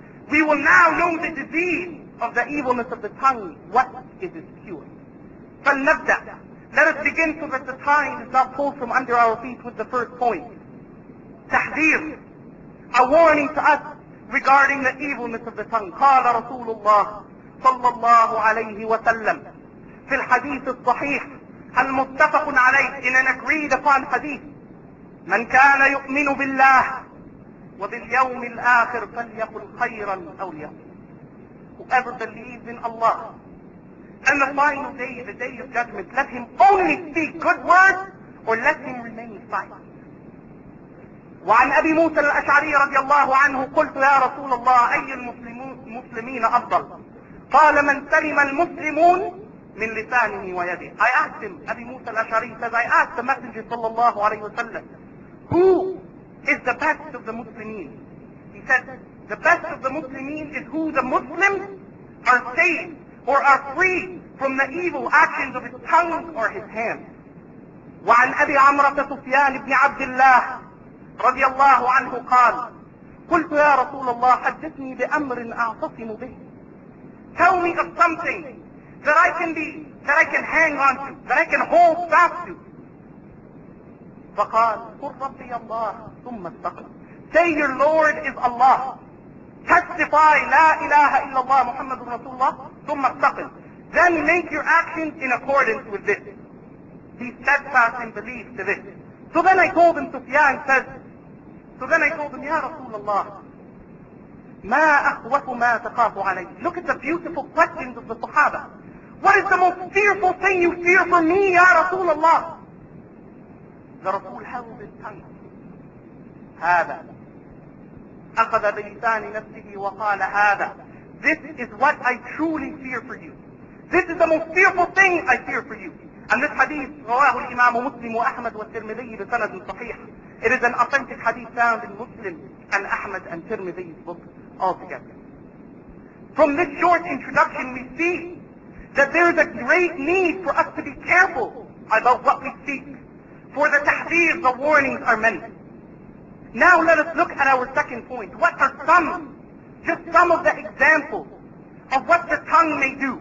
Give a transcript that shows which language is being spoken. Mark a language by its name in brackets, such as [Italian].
[English] We will now know the disease of the evilness of the tongue. What is its cure? [Arabic] فَلْنَبْدَأ. [English] Let us begin so that the time is not pulled from under our feet with the first point. [Arabic] تحذير. [English] A warning to us regarding the evilness of the tongue. [Arabic] قال رسول الله صلى الله عليه وسلم في الحديث الصحيح المتفق عليه, [English] in an agreed upon hadith, [Arabic] من كان يؤمن بالله وباليوم الآخر فليقل خيرا أو ليقل. [English] Whoever believes in Allah and the final day, the day of judgment, let him only speak good words or let him remain silent. [Arabic] وعن أبي موسى الأشعري رضي الله عنه قلت يا رسول الله أي المسلمين أفضل؟ قال من سلم المسلمون من لسانه ويده. [English] I asked him, Abi Musa al-Ash'ari says, I asked the Messenger sallallahu alayhi wa sallam, who is the best of the Muslimin? He said, the best of the Muslimin is who the Muslims are saved or are free from the evil actions of his tongue or his hand. [Arabic] وعن أبي عمرة سفيان بن عبد الله رضي الله عنه قال, قلت يا رسول الله حدثني بأمر أعتصم به. [English] Tell me of something that I can be, that I can hang on to, that I can hold fast to. [Arabic] فقال, قل ربي الله ثم استقر. [English] Say your Lord is Allah. Testify, [Arabic] لا إله إلا الله محمد رسول الله ثم استقر. [English] Then make your actions in accordance with this. Be steadfast in belief to this. So then I told him, Sufyan says, so then I told him, [Arabic] يا رسول الله, ما أخوف ما تخاف عليه. [English] Look at the beautiful questions of the Sahaba. What is the most fearful thing you fear for me, ya Rasulullah? The Rasul held his tongue. [Arabic] هذا. أخذ بلسان نفسه وقال هذا. [English] This is what I truly fear for you. This is the most fearful thing I fear for you. And this hadith, [Arabic] رواه الإمام مسلم وأحمد والترمذي بسند صحيح. [English] It is an authentic hadith found in Muslim and Ahmad and Tirmidhi's book altogether. From this short introduction, we see that there is a great need for us to be careful about what we speak. For the tahdeer, the warnings are many. Now let us look at our second point. What are some, just some of the examples of what the tongue may do?